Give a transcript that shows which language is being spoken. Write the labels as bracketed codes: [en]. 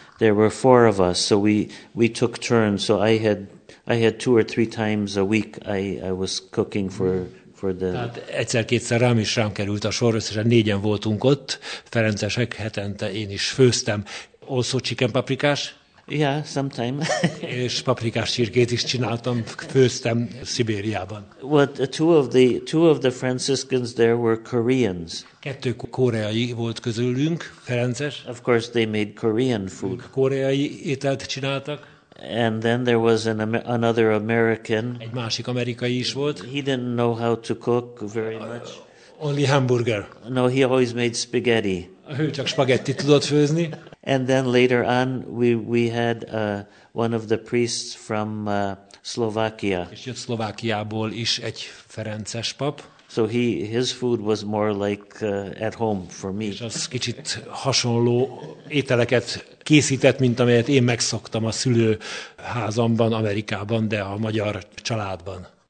[en] There were four of us, so we took turns, so I had two or three times a week I was cooking for the. [hu] Tehát egyszer-kétszer rám is rám került a sor, összesen négyen voltunk ott, ferencesek, hetente én is főztem. [en] Also chicken paprikás? Yeah, sometime. [hu] És paprikás csirkét is csináltam, főztem Szibériában. [en] What two of the Franciscans there were Koreans. [hu] Kettő koreai volt közülünk, ferences. [en] Of course they made Korean food. [hu] Koreai ételt csináltak. [en] And then there was another American. [hu] Egy másik amerikai is volt. [en] He didn't know how to cook very much. Only hamburger. No, he always made spaghetti. [hu] Ő csak spagettit tudott főzni. [en] And then later on we had one of the priests from Slovakia. [hu] És jött Szlovákiából is egy ferences pap. [en] So his food was more like at home for me. [hu] És az kicsit hasonló ételeket készített, mint amelyet én megszoktam a szülőházamban, Amerikában, de a magyar családban.